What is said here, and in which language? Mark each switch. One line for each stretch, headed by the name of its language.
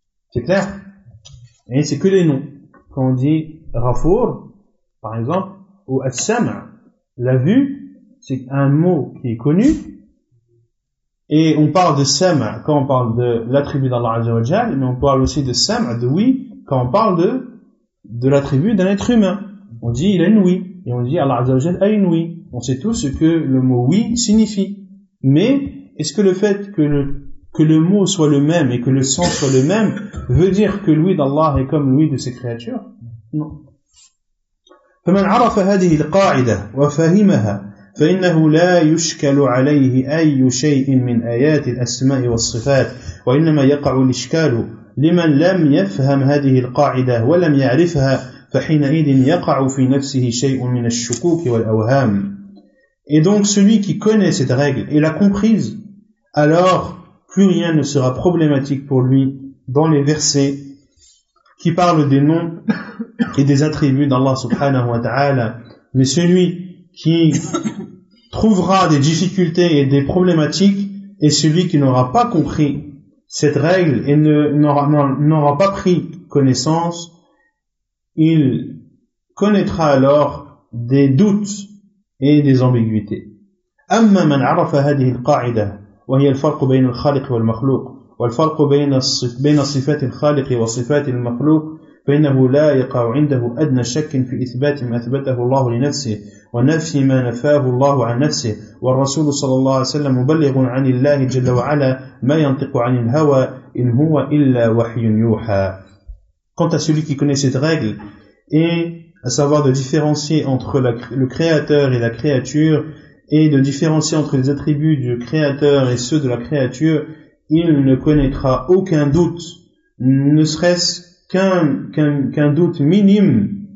French: C'est clair? Et c'est que les noms. Quand on dit Rafour, par exemple, ou As-Sam', la vue, c'est un mot qui est connu, et on parle de Sam' quand on parle de l'attribut d'Allah Azza wa Jal, mais on parle aussi de Sam', de oui, quand on parle de l'attribut d'un être humain. On dit il a une oui, et on dit Allah Azza wa Jalla a une oui. On sait tous ce que le mot oui signifie. Mais est-ce que le fait que le mot soit le même et que le sens soit le même veut dire que l'oui d'Allah est comme l'oui de ses créatures? Non.
Arabic: فمن عرف هذه القاعدة وفهمها فإنه لا يشكل عليه أي شيء من آيات الأسماء والصفات وإنما يقع الإشكال لمن لم يفهم هذه القاعدة ولم يعرفها فحينئذ يقع في نفسه شيء من الشكوك والأوهام.
French: Et donc celui qui connaît cette règle et l'a comprise, alors plus rien ne sera problématique pour lui dans les versets qui parlent des noms et des attributs d'Allah subhanahu wa ta'ala. Mais celui qui trouvera des difficultés et des problématiques est celui qui n'aura pas compris cette règle et n'aura pas pris connaissance. Il connaîtra alors des doutes et des ambiguïtés.
Arabic: أما من عرف هذه القاعدة وهي الفرق بين الخالق والمخلوق والفرق بين صفات الخالق وصفات المخلوق فإنه لا يقع عنده أدنى شك في إثبات ما أثبته الله لنفسه ونفي ما نفاه الله عن نفسه والرسول صلى الله عليه وسلم مبلغ عن الله جل وعلا ما ينطق عن الهوى إن هو إلا وحي يوحى.
French: Quant à celui qui connaît cette règle et à savoir de différencier entre le créateur et la créature et de différencier entre les attributs du Créateur et ceux de la créature, il ne connaîtra aucun doute, ne serait-ce qu'un doute minime